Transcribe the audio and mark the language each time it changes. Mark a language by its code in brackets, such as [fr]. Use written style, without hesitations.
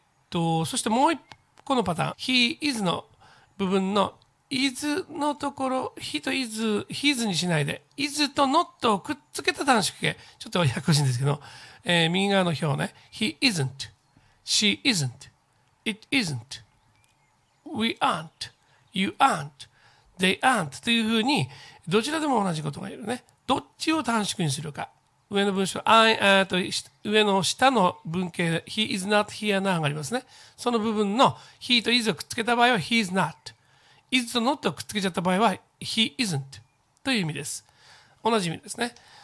[ja] そしてもう一個のパターン、he is の部分のis のところ、he と is、his にしないで、is と not をくっつけた短縮形。ちょっとややこしいんですけど、右側の表ね。 [en] he isn't, she isn't, it isn't, we aren't, you aren't, they aren't [ja] というふうに、どちらでも同じことが言えるね。どっちを短縮にするか。上の文章、I, と上の下の文型で、 [en] he is not here now [ja] がありますね。その部分の he と is をくっつけた場合は、 [en] he is not。 [ja] is と not をくっつけちゃった場合は he isn't という意味です。同じ意味ですね。